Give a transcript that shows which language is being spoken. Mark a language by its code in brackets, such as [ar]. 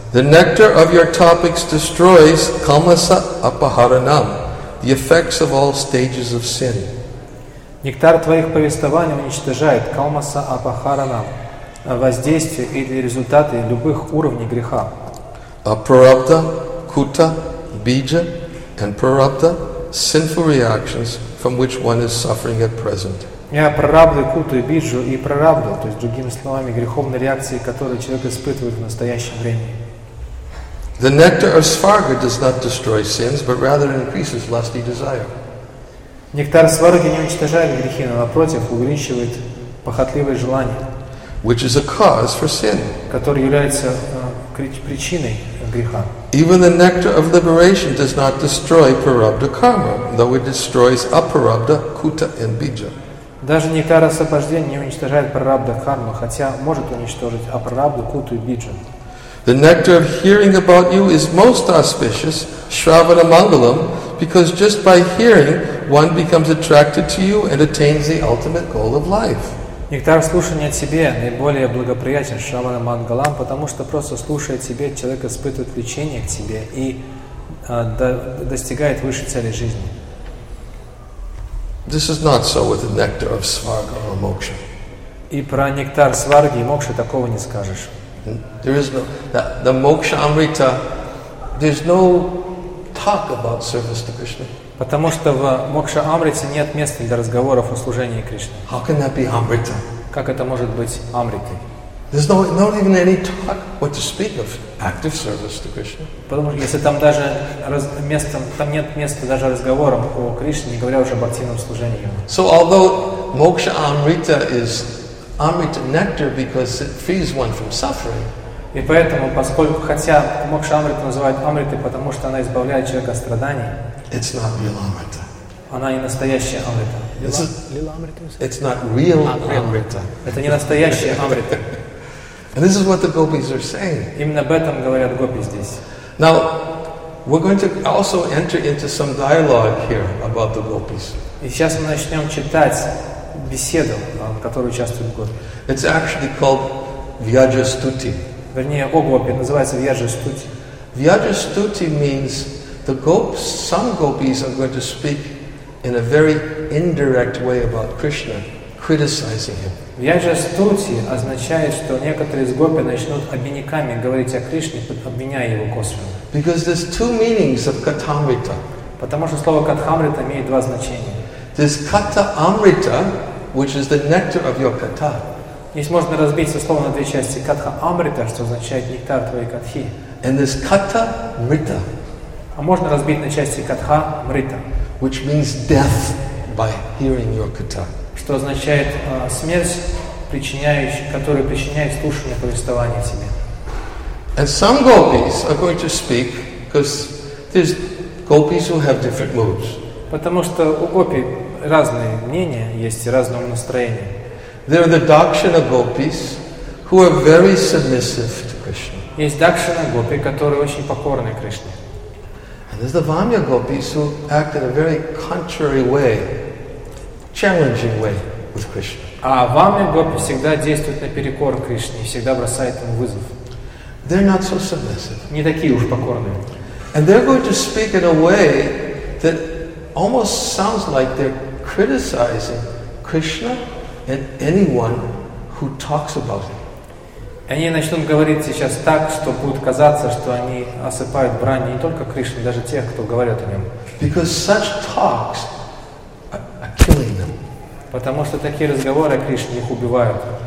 [en] The nectar of your topics destroys kamasa apaharanam, the effects of all stages of sin. [ru] Нектар твоих повествований уничтожает kamasa apaharanam, воздействие или результаты любых уровней греха. [en] Aparabdha, kuta, bija and prarabdha, sinful reactions from which one is suffering at present. [ru] Я прарабду, куту и биджу и прарабду, то есть другими словами, греховные реакции, которые человек испытывает в настоящем времени. [en] The nectar of svarga does not destroy sins, but rather increases lusty desire. [ru] Нектар сварги не уничтожает грехи, но напротив, увеличивает похотливое желание. [en] Which is a cause for sin. [ru] Который является причиной греха. [en] Even the nectar of liberation does not destroy prarabdha karma, though it destroys aparabdha, kuta and bija. [ru] Даже нектар освобождения не уничтожает прарабдху карму, хотя может уничтожить апрарабдху, куту и биджу. [en] The nectar of hearing about you is most auspicious, shravana mangalam, because just by hearing, one becomes attracted to you and attains the ultimate goal of life. [ru] Нектар слушания о тебе наиболее благоприятен, шравана мангалам, потому что просто слушая о тебе, человек испытывает влечение к тебе и достигает высшей цели жизни. [en] This is not so with the nectar of svarga or moksha. [ru] И про нектар сварги и мокши такого не скажешь. [en] There is no the moksha amrita. There's no talk about service to Krishna. [ru] Потому что в мокша амрите нет места для разговоров о служении Кришне. [en] How can that be amrita? [ru] Как это может быть амритой? [en] There's not even any talk what to speak of active service to Krishna. [ru] Потому что если там даже там нет места даже разговорам о Кришне, не говоря уже об активном служении. [en] So although moksha amrita is amrita nectar because it frees one from suffering. [ru] И поэтому, поскольку хотя мокша амрита называют амритой, потому что она избавляет человека от страданий. [en] It's not real amrita. [ru] Она не настоящая амрита. [en] It's not real amrita. [ru] Это не настоящая амрита. [en] And this is what the gopis are saying. [ru] Именно об этом говорят гопи здесь. [en] Now, we're going to also enter into some dialogue here about the gopis. [ru] И сейчас мы начнем читать беседу, в которой участвуют гопи. [en] It's actually called Vyaja Stuti. [ru] Вернее, о гопи, называется Vyaja Stuti. [en] Vyaja Stuti means the gopis, some gopis are going to speak in a very indirect way about Krishna, criticizing him. [ru] Vyaja Stuti означает, что некоторые из гопи начнут обвиняками говорить о Кришне, обвиняя его косвенно. [en] Because there's two meanings of katamrita. [ru] Потому что слово катхамрита имеет два значения. [en] There's kata amrita, which is the nectar of your kata. [ru] Здесь можно разбить это слово на две части. Катха амрита, что означает нектар твоей катхи. [en] And there's kata mrita. [ru] А можно разбить на части катха мрита. [en] Which means death by hearing your kata. [ru] Что означает смерть, которая причиняет слушание повествования себе. [en] And some gopis are going to speak because there's gopis who have different moods. [ru] Потому что у гопи разные мнения есть, разного настроения. [en] There are the dakshina gopis who are very submissive to Krishna. [ru] Есть дакшина гопи, которые очень покорны Кришне. [en] And there's the vamya gopis who act in a very contrary way. Challenging way with Krishna. [ru] А вамя гопи всегда действует наперекор Кришне, всегда бросает ему вызов. [en] They're not so submissive. [ru] Не такие уж покорные. [en] And they're going to speak in a way that almost sounds like they're criticizing Krishna and anyone who talks about him. [ru] они начнут говорить сейчас так, что будет казаться, что они осыпают брань не только Кришны, даже тех, кто говорит о нем. [en] Because such talks are killing them. [ru] Потому что такие разговоры о Кришне их убивают.